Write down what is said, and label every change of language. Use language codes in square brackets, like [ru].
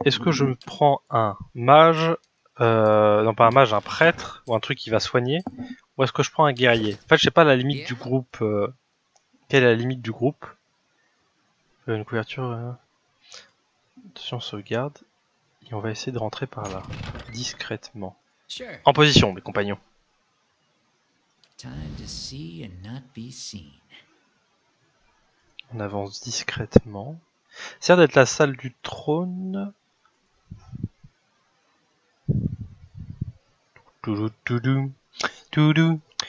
[fr] Est-ce que je me prends un mage non, pas un mage, un prêtre. Ou un truc qui va soigner. Ou est-ce que je prends un guerrier? En fait, je sais pas la limite du groupe... Quelle est la limite du groupe? Une couverture. Attention, sauvegarde. Et on va essayer de rentrer par là. Discrètement. Sure. En position, mes compagnons. [en] Time to see and not be seen. [fr] On avance discrètement. Ça a l'air d'être la salle du trône. Toudou, toudou. Toudou.